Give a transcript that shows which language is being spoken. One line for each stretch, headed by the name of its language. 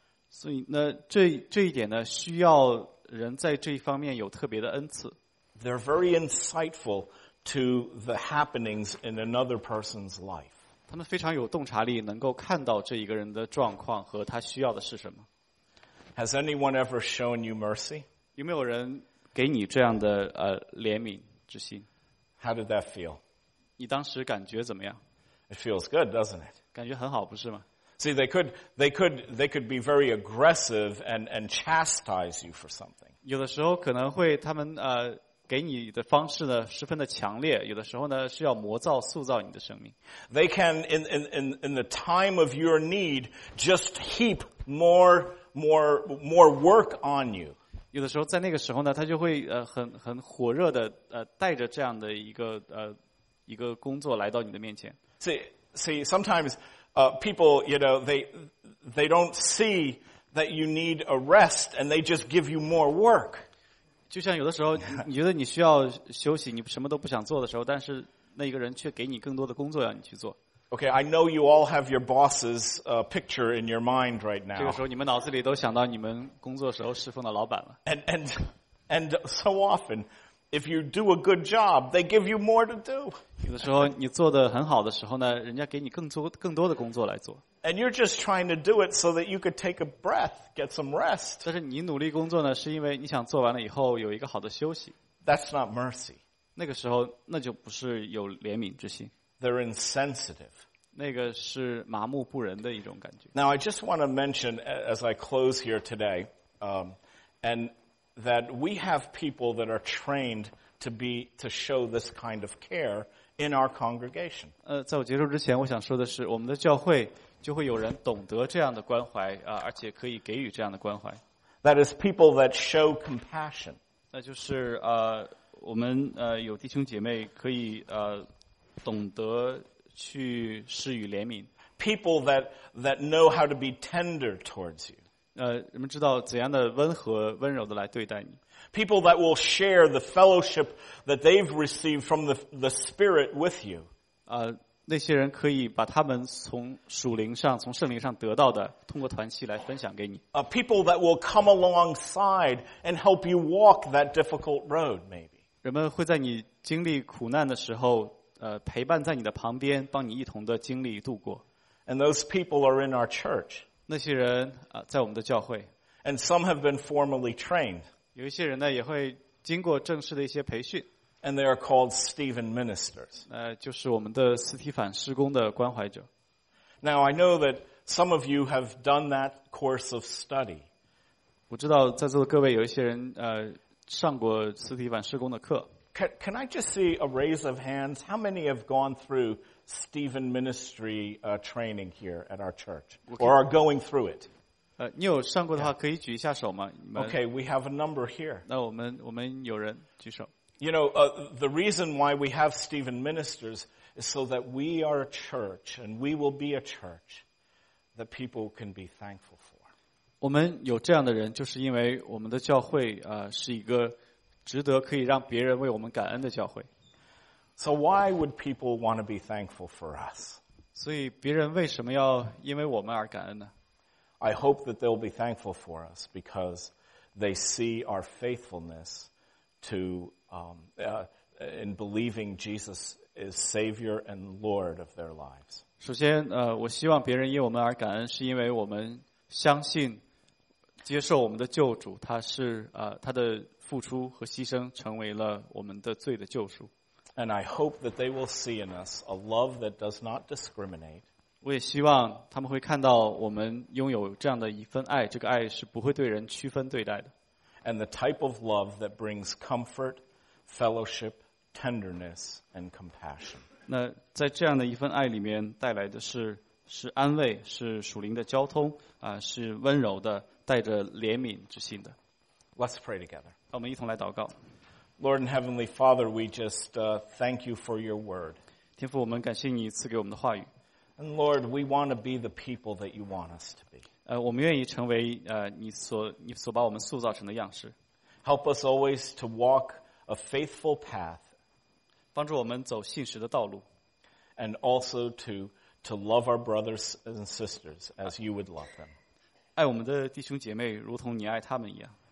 Chinese: 所以那这一点呢，需要人在这一方面有特别的恩赐。
English: They're very insightful to the happenings in another person's life.
Chinese: 他们非常有洞察力，能够看到这一个人的状况和他需要的是什么。
English: Has anyone ever shown you mercy?
Chinese: 有没有人给你这样的怜悯之心？
English: How did that feel?
Chinese: 你当时感觉怎么样？
English: It feels good, doesn't it?
Chinese: 感觉很好，不是吗？
English: See, they could be very aggressive and chastise you for something.
Chinese: 有的时候可能会他们给你的方式呢十分的强烈，有的时候呢是要磨造塑造你的生命。
English: They can in the time of your need just heap more work on you.
Chinese: 有的时候在那个时候呢，他就会很火热的带着这样的一个工作来到你的面前。
English: See, sometimes people, you know, they don't see that you need a rest and they just give you more work.
Chinese: 就像有的时候你觉得你需要休息，你什么都不想做的时候，但是那一个人却给你更多的工作让你去做。
English: Okay, I know you all have your boss's picture in your mind right now.
Chinese: 这个时候你们脑子里都想到你们工作时候侍奉的老板了。
English: And so often, If you do a good job, they give you more to do.
Chinese: 有的时候你做得很好的时候呢，人家给你更多的工作来做。
English: And you're just trying to do it so that you could take a breath, get some rest.
Chinese: 但是你努力工作呢，是因为你想做完了以后有一个好的休息。
English: That's not mercy.
Chinese: 那个时候那就不是有怜悯之心。
English: They're insensitive.
Chinese: 那个是麻木不仁的一种感觉。
English: Now I just want to mention as I close here today, and that we have people that are trained to show this kind of care in our congregation.
Chinese: 在我结束之前我想说的是我们的教会就会有人懂得这样的关怀而且可以给予这样的关怀。
English: That is people that show compassion.
Chinese: 那就是我们有弟兄姐妹可以懂得去施予怜悯。
English: People that know how to be tender towards you.
Chinese: 人们知道怎样的温和温柔的来对待你。
English: People that will share the fellowship that they've received from the Spirit with you.
Chinese: 那些人可以把他们从属灵上从圣灵上得到的通过团契来分享给你。
English: People that will come alongside and help you walk that difficult road, maybe.
Chinese: 人们会在你经历苦难的时候陪伴在你的旁边帮你一同的经历度过。
English: And those people are in our church.
Chinese: 那些人在我们的教会
English: and some have been formally trained
Chinese: 有一些人呢也会经过正式的一些培训
English: and they are called Stephen ministers
Chinese: 就是我们的斯提凡施工的关怀者
English: Now I know that some of you have done that course of study
Chinese: 我知道在座的各位有一些人上过斯提凡施工的课
English: Can I just see a raise of hands? How many have gone throughStephen ministry training here at our church or are going through it.
Chinese: 你有上过的话可以举一下手吗
English: Okay, we have a number here.
Chinese: 那我们有人举手。
English: You know, the reason why we have Stephen ministers is so that we are a church and we will be a church that people can be thankful for.
Chinese: 我们有这样的人就是因为我们的教会是一个值得可以让别人为我们感恩的教会。
English: So why would people want to be thankful for us?
Chinese: 所以别人为什么要因为我们而感恩呢?
English: I hope that they'll be thankful for us because they see our faithfulness to, in believing Jesus is Savior and Lord of their lives.
Chinese: 首先我希望别人因我们而感恩是因为我们相信接受我们的救主他是他的付出和牺牲成为了我们的罪的救赎。
English: And I hope that they will see in us a love that does not discriminate.
Chinese: 我也希望他们会看到我们拥有这样的一份爱，这个爱是不会对人区分对待的。
English: And the type of love that brings comfort, fellowship, tenderness, and compassion.
Chinese: 那在这样的一份爱里面带来的是安慰，是属灵的交通，是温柔的，带着怜悯之心的。
English: Let's pray together.
Chinese: 那我们一同来祷告。
English: Lord and Heavenly Father, we just thank you for your word.
Chinese: 天父，我们感谢你赐给我们的话语。
English: And Lord, we want to be the people that you want us to be.
Chinese: 我们愿意成为你所把我们塑造成的样式。
English: Help us always to walk a faithful path.
Chinese: 帮助我们走信实的道路。
English: And also to love our brothers and sisters as you would love them.
Chinese: 爱我们的弟兄姐妹如同你爱他们一样。